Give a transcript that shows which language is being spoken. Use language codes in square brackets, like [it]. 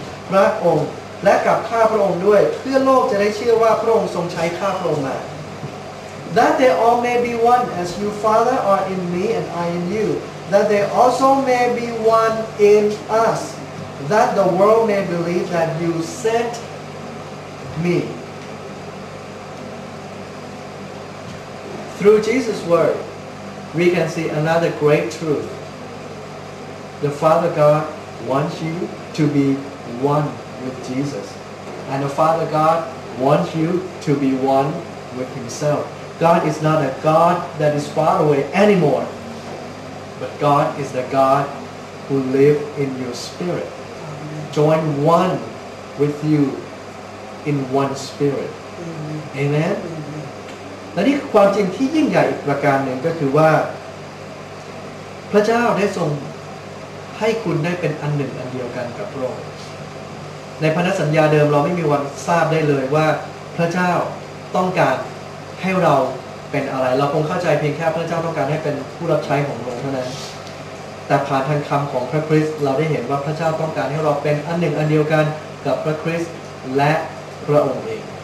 [th] พระองค์และกับข้าพระองค์ด้วยเพื่อโลกจะได้เชื่อว่าพระองค์ทรงใช้ข้าพระองค์มา [en] That they all may be one as you Father are in me and I in you that they also may be one in us that the world may believe that you sent meThrough Jesus' word, we can see another great truth. The Father God wants you to be one with Jesus. And the Father God wants you to be one with Himself. God is not a God that is far away anymore. But God is the God who lives in your spirit. Join one with you in one spirit. Amen. [th] และนี่คือความจริงที่ยิ่งใหญ่อีกประการหนึ่งก็คือว่าพระเจ้าได้ทรงให้คุณได้เป็นอันหนึ่งอันเดียวกันกับพระองค์ในพันธสัญญาเดิมเราไม่มีวันทราบได้เลยว่าพระเจ้าต้องการให้เราเป็นอะไรเราคงเข้าใจเพียงแค่พระเจ้าต้องการให้เป็นผู้รับใช้ของพระองค์เท่านั้นแต่ผ่านทางคำของพระคริสต์เราได้เห็นว่าพระเจ้าต้องการให้เราเป็นอันหนึ่งอันเดียวกันกับพระคริสต์และพระองค์เอง